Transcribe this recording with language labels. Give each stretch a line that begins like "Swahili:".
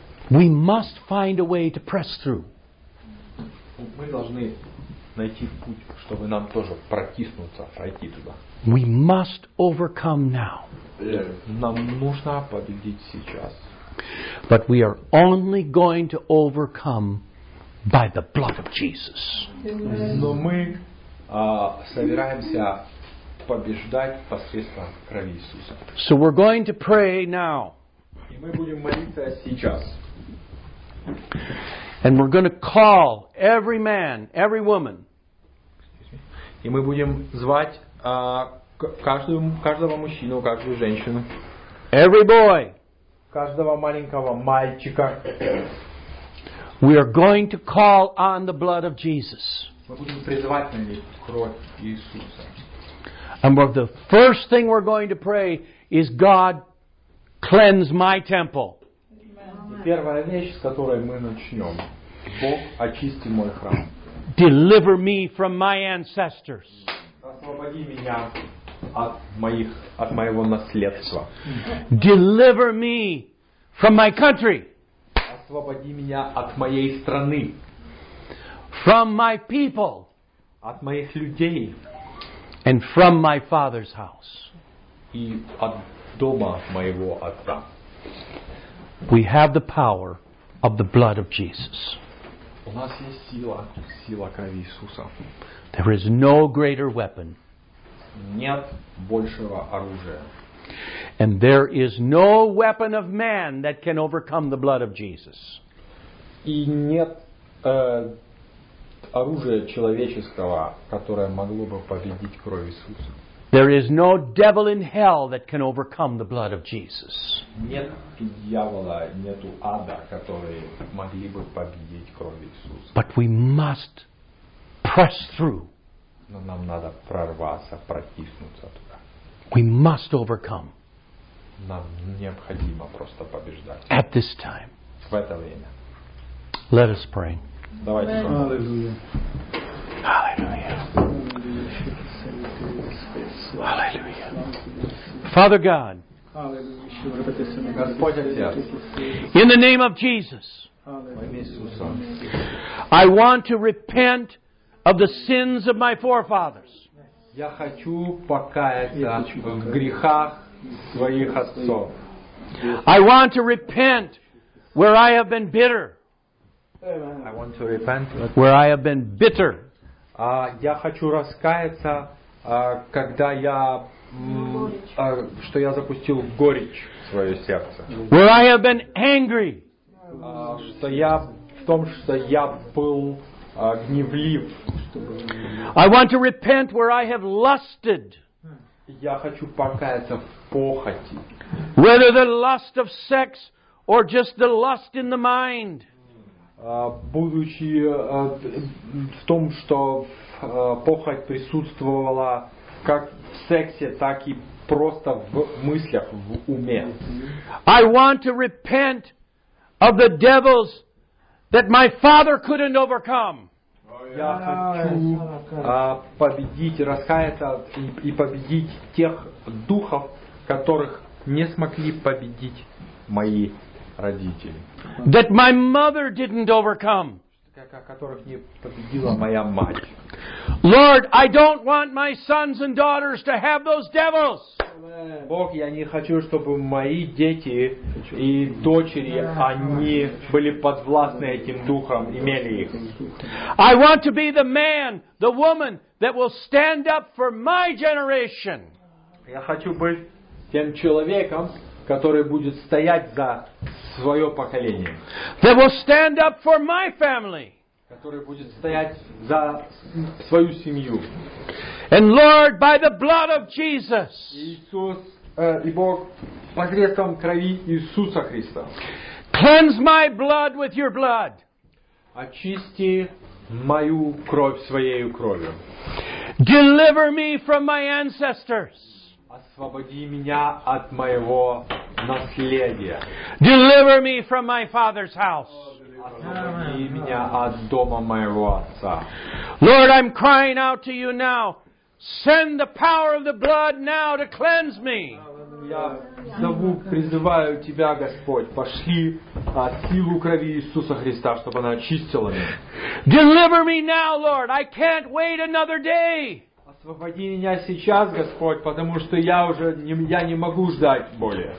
English: We must find a way to press through.
Russian: Мы должны найти путь, чтобы нам тоже протиснуться, пройти туда.
English: We must overcome now.
Russian: Нам нужно победить сейчас.
English: But we are only going to overcome by the blood of Jesus.
Russian: Но мы собираемся побеждать посредством крови Иисуса.
English: So we're going to pray now.
Russian: И мы будем молиться сейчас.
English: And we're going to call every man, every woman.
Russian: И мы будем звать каждого мужчину, каждую женщину.
English: Every boy.
Russian: Каждого маленького мальчика.
English: We are going to call on the blood of Jesus.
Russian: Мы будем призывать на них кровь Иисуса.
English: And the first thing we're going to pray is God cleanse my temple.
Russian: Первая вещь, с которой мы начнем. Бог, очисти мой храм.
English: Deliver me from my ancestors.
Russian: Освободи меня от моего наследства.
English: Deliver me from my country.
Russian: Освободи меня от моей страны.
English: From my people.
Russian: От моих людей.
English: And from my father's house.
Russian: И от дома моего отца.
English: We have the power of the blood of Jesus.
Russian: У нас есть сила, сила крови Иисуса.
English: There is no greater weapon.
Russian: Нет большего оружия.
English: And there is no weapon of man that can overcome the blood of Jesus.
Russian: И нет оружия человеческого, которое могло бы победить кровь Иисуса.
English: There is no devil in hell that can overcome the blood of Jesus.
Russian: Нет дьявола, нету ада, которые могли бы победить кровь Иисуса.
English: But we must press through.
Russian: Но нам надо прорваться, протиснуться туда.
English: We must overcome.
Russian: Нам необходимо просто побеждать.
English: At this time.
Russian: В это время.
English: Let us pray.
Russian: Давайте Amen. Аллилуйя. Аллилуйя.
English: Hallelujah. Father God, in the name of Jesus, I want to repent of the sins of my forefathers.
Russian: Я хочу покаяться в грехах своих отцов.
English: I want to repent where I have been bitter. I want to repent where I have been bitter.
Russian: Я хочу раскаяться когда я что я запустил горечь в свое сердце.
English: Where I have been angry.
Russian: Что я в том, что я был гневлив.
English: I want to repent where I have lusted.
Russian: Я хочу покаяться в похоти.
English: Whether the lust of sex or just the lust in the mind.
Russian: Будучи в том, что похоть присутствовала как в сексе, так и просто в мыслях, в уме.
English: I want to repent of the devils that my father couldn't overcome.
Russian: Я хочу победить, раскаяться и победить тех духов, которых не смогли победить мои родители.
English: That my mother didn't overcome.
Russian: Которых не победила моя мать.
English: Lord, I don't want my sons and daughters to have those devils.
Russian: Бог, я не хочу, чтобы мои дети и дочери, они были подвластны этим духам, имели их.
English: I want to be the man, the woman that will stand up for my generation.
Russian: Я хочу быть тем человеком, который будет стоять за свое поколение.
English: That will stand up for my family.
Russian: Который будет стоять за свою семью.
English: And Lord, by the blood of Jesus.
Russian: Иисус, и Бог, посредством крови Иисуса Христа.
English: Cleanse my blood with your blood.
Russian: Очисти мою кровь своей кровью.
English: Deliver me from my ancestors.
Russian: Освободи меня от моего наследия.
English: Deliver me from my father's house.
Russian: Освободи меня от дома моего отца.
English: Lord, I'm crying out to you now. Send the power of the blood now to cleanse me.
Russian: Я зову, призываю тебя, Господь, пошли силу крови Иисуса Христа, чтобы она очистила меня.
English: Deliver me now, Lord. I can't wait another day.
Russian: Освободи меня сейчас, Господь, потому что я уже не могу ждать более.